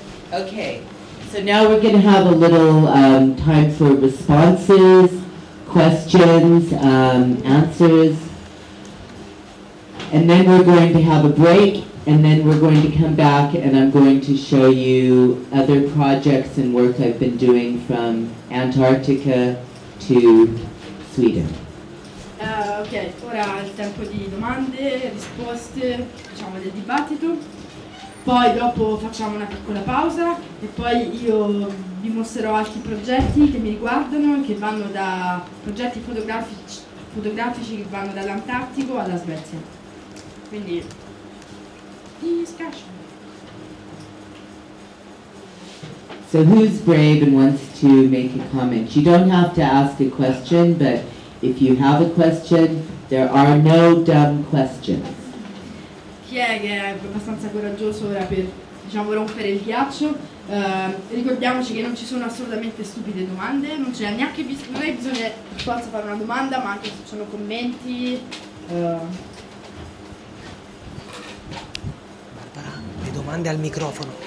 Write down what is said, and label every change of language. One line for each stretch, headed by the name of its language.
English: Now we're going to have a little time for responses, questions, answers, and then we're going to have a break, and then we're going to come back and I'm going to show you other projects and work I've been doing from Antarctica to Sweden.
Italian: Ok, ora il tempo di domande, risposte, diciamo del dibattito. Poi dopo facciamo una piccola pausa e poi io vi mostrerò altri progetti che mi riguardano, che vanno da progetti fotografici che vanno dall'Antartico alla Svezia. Quindi, discussion.
English: So who's brave and wants to make a comment? You don't have to ask a question, but if you have a question, there are no dumb questions.
Italian: Chi è che è abbastanza coraggioso ora per, diciamo, rompere il ghiaccio? Ricordiamoci che non ci sono assolutamente stupide domande, non c'è neanche bisogno, per forza fare una domanda, ma anche se ci sono commenti. Barbara, le domande al microfono.